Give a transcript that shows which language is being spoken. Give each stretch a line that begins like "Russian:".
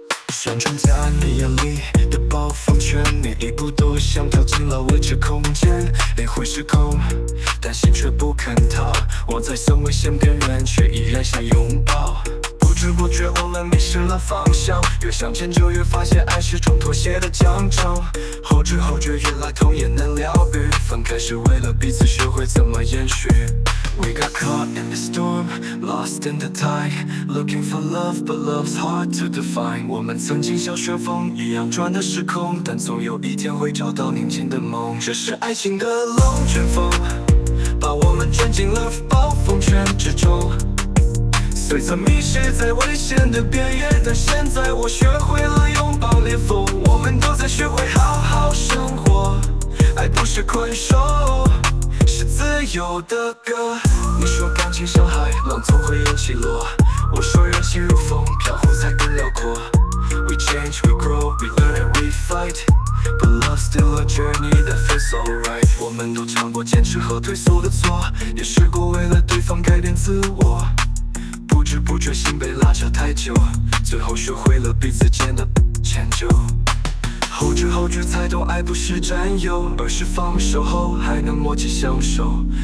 Chinese: 想穿在你眼里的暴风圈，你一步都想跳进了未知空间，灵魂失控但心却不肯逃，我在三维线边缘却依然想拥抱，不知不觉我们迷失了方向，越向前就越发现爱是种妥协的奖惩，后知后觉原来痛也能疗愈，分开是为了彼此学会怎么延续。
English: We got caught in the storm, lost in the tide, looking for love, but love's hard to define.
Chinese: 我们曾经像旋风一样转的时空，但总有一天会找到宁静的梦。这是爱情的龙卷风，把我们卷进了暴风圈之中，虽曾迷失在危险的边缘，但现在我学会了拥抱裂缝。我们都在学会好好生活，爱不是困兽，是自由的歌。你说感情像海浪总会有起落，我说人心如风飘忽才更辽阔。
English: We change, we grow, we learn and we fight, but love's still a journey that feels alright.
Chinese: 我们都尝过坚持和退缩的错，也试过为了对方改变自我，不知不觉心被拉扯太久，最后学会了彼此间的迁就，后知后觉才懂爱不是占有，而是放手后还能默契相守。